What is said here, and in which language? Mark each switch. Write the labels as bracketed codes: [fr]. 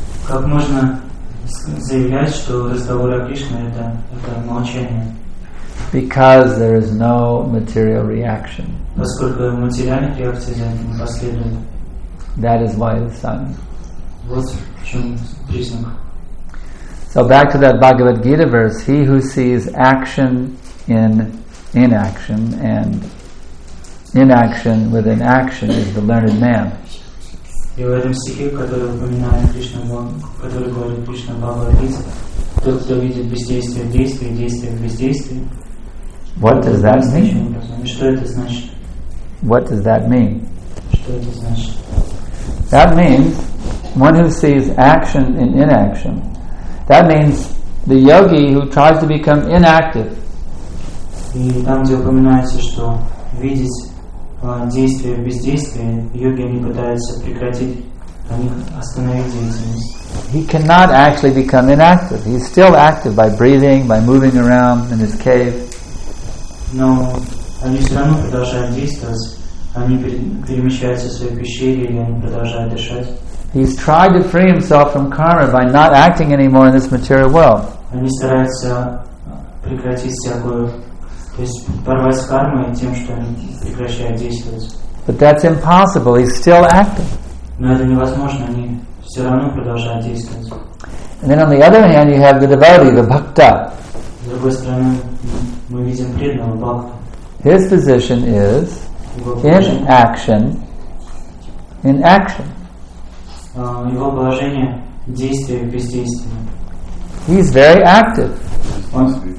[ru] Как можно заявлять, что разговор о Кришне это молчание? [en] Because there is no material reaction. [ru] Поскольку материальных реакций за этим не последует. [en] That is why it is silent. [ru] Вот в чем признак. [en] So back to that Bhagavad Gita verse: He who sees action in inaction and inaction with an action is the learned man. [ru] И в этом стихе, который упоминает Кришна, который говорит Кришна Бхагавадгите, тот, кто видит бездействие в действии, действие в бездействии. [en] What does that mean? [ru] Что это значит? [en] What does that mean? [ru] Что это значит? [en] That means one who sees action in inaction. That means the yogi who tries to become inactive. [ru] И там, где упоминается, что видеть действие в бездействии, йоги они пытаются прекратить, они остановить деятельность. [en] He cannot actually become inactive. He's still active by breathing, by moving around in his cave. [ru] Но они все равно продолжают действовать. Они перемещаются в своей пещере, и они продолжают дышать. [en] He's tried to free himself from karma by not acting anymore in this material world. [ru] Они стараются прекратить всякую. То есть порвать с кармой тем, что они прекращают действовать. [en] But that's impossible. He's still active. [ru] Но это невозможно. Они все равно продолжают действовать. [en] And then on the other hand, you have the devotee, the bhakta. [ru] С другой стороны, мы видим преданного бхакта. [en] His position is in action. [ru] Его положение действие в бездействии. [en] He's very active. [ru] Он,